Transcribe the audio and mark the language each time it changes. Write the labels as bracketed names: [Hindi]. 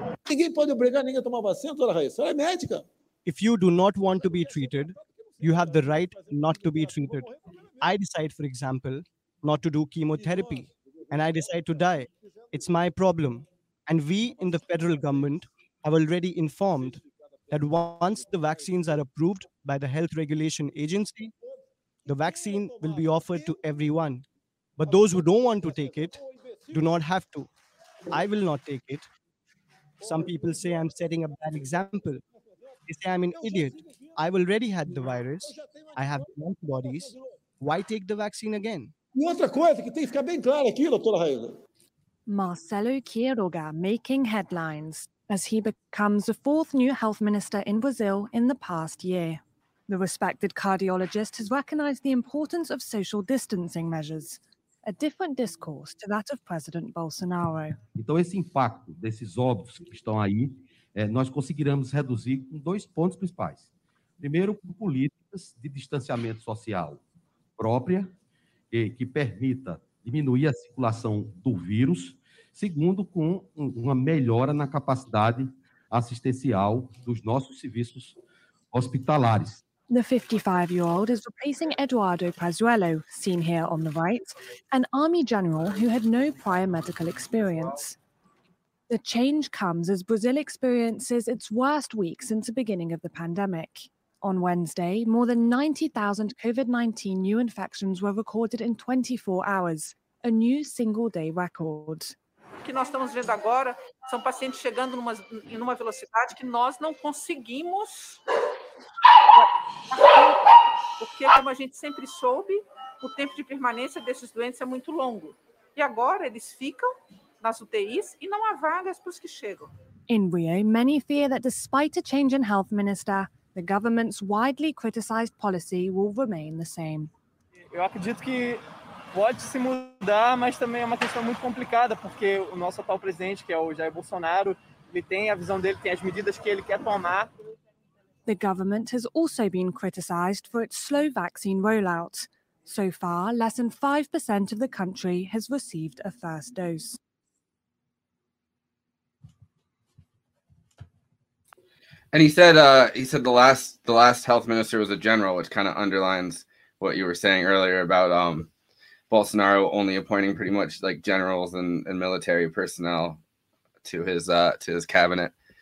[Portuguese] Ninguém pode obrigar ninguém a tomar vacina, dona Raíssa. Ela é médica. [English] If you do not want to be treated, you have the right not to be treated. I decide, for example, not to do chemotherapy, and I decide to die. It's my problem. And we in the federal government have already informed that once the vaccines are approved by the health regulation agency, The vaccine will be offered to everyone. But those who don't want to take it do not have to. I will not take it. Some people say I'm setting a bad example. They say I'm an idiot. I've already had the virus. I have antibodies. Why take the vaccine again? Marcelo Quiroga making headlines as he becomes the fourth new health minister in Brazil in the past year. The respected cardiologist has recognized the importance of social distancing measures, a different discourse to that of President Bolsonaro. [Portuguese] Então esse impacto desses óbitos que estão aí, nós conseguiremos reduzir com dois pontos principais. Primeiro, com políticas de distanciamento social própria, que permita diminuir a circulação do vírus. Segundo, com uma melhora na capacidade assistencial dos nossos serviços hospitalares. [English] The 55-year-old is replacing Eduardo Pazuello, seen here on the right, an army general who had no prior medical experience. The change comes as Brazil experiences its worst week since the beginning of the pandemic. On Wednesday, more than 90,000 COVID-19 new infections were recorded in 24 hours, a new single-day record. [Portuguese] O que nós estamos vendo agora são pacientes chegando numa velocidade que nós não conseguimos. Porque, como a gente sempre soube, o tempo de permanência desses doentes é muito longo. E agora eles ficam nas UTIs e não há vagas para os que chegam. [English] In Rio, many fear that despite a change in health minister, the government's widely criticized policy will remain the same. [Portuguese] Eu acredito que pode se mudar, mas também é uma questão muito complicada, porque o nosso atual presidente, que é o Jair Bolsonaro, ele tem a visão dele, tem as medidas que ele quer tomar. [English] The government has also been criticized for its slow vaccine rollout. So far, less than 5% of the country has received a first dose. And he said the last health minister was a general, which kind of underlines what you were saying earlier about Bolsonaro only appointing pretty much like generals and military personnel to his cabinet.